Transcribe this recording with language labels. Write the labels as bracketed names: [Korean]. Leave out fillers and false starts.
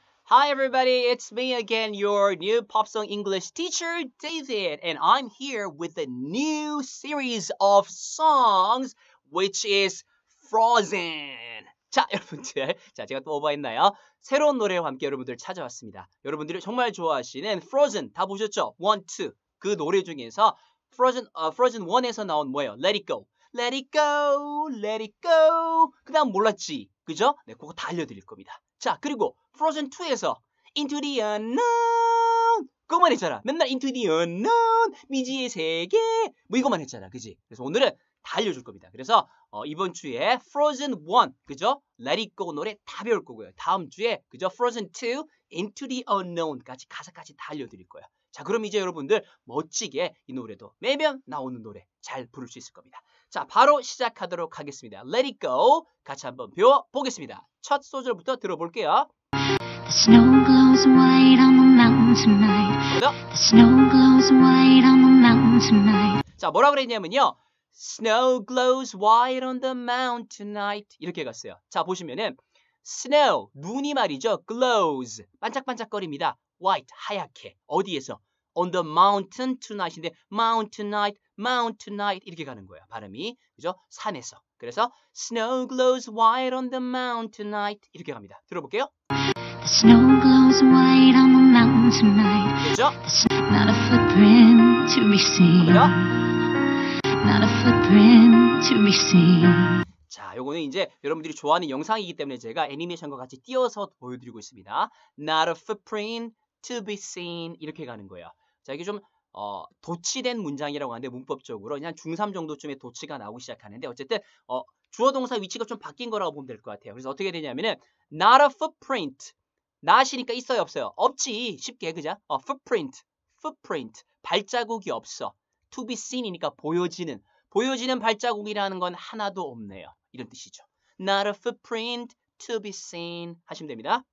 [English] Hi everybody, it's me again, your new popsong English teacher, David, and I'm here with a new series of songs, which is Frozen. [Korean] 자, 여러분들, 자, 제가 또 오버했나요? 새로운 노래와 함께 여러분들 찾아왔습니다. 여러분들이 정말 좋아하시는 Frozen, 다 보셨죠? 1, 2, 그 노래 중에서 Frozen 1에서 나온 뭐예요? [English] Let it go, let it go, let it go, [Korean] 그 다음 몰랐지, 그죠? 네, 그거 다 알려드릴 겁니다. 자, 그리고 Frozen 2에서 Into the Unknown 그거만 했잖아. 맨날 Into the Unknown 미지의 세계 뭐 이거만 했잖아. 그지? 그래서 오늘은 다 알려줄 겁니다. 그래서 이번 주에 Frozen 1 그죠? Let it go 노래 다 배울 거고요. 다음 주에 그죠? Frozen 2 Into the Unknown까지 가사까지 다 알려드릴 거예요. 자, 그럼 이제 여러분들 멋지게 이 노래도 매번 나오는 노래 잘 부를 수 있을 겁니다. 자, 바로 시작하도록 하겠습니다. Let it go 같이 한번 배워보겠습니다. 첫 소절부터 들어볼게요. [English] The snow glows white on the mountain tonight. The snow glows white on the mountain tonight. [Korean] 자, 뭐라 그랬냐면요. [English] Snow glows white on the mountain tonight. [Korean] 이렇게 갔어요. 자, 보시면은 snow, 눈이 말이죠. glows, 반짝반짝거립니다. white, 하얗게. 어디에서? [English] on the mountain tonight인데 mountain night [Korean] 이렇게 가는 거예요. 발음이. 그죠? 산에서. [English] 그래서 snow glows white on the mountain night [Korean] 이렇게 갑니다. 들어볼게요. [English] The snow glows white on the mountain tonight. [Korean] 그죠? [English] Not a footprint to be seen. 그죠? Not a footprint to be seen. [Korean] 자, 요거는 이제 여러분들이 좋아하는 영상이기 때문에 제가 애니메이션과 같이 띄워서 보여드리고 있습니다. [English] Not a footprint to be seen [Korean] 이렇게 가는 거예요. 자, 이게 좀 도치된 문장이라고 하는데 문법적으로 그냥 중3 정도쯤에 도치가 나오기 시작하는데 어쨌든 주어 동사 위치가 좀 바뀐 거라고 보면 될 것 같아요. 그래서 어떻게 되냐면은 [English] not a footprint. [Korean] not이니까 있어요, 없어요? 없지. 쉽게 그죠? footprint. 발자국이 없어. to be seen이니까 보여지는. 보여지는 발자국이라는 건 하나도 없네요. 이런 뜻이죠. [English] not a footprint to be seen [Korean] 하시면 됩니다.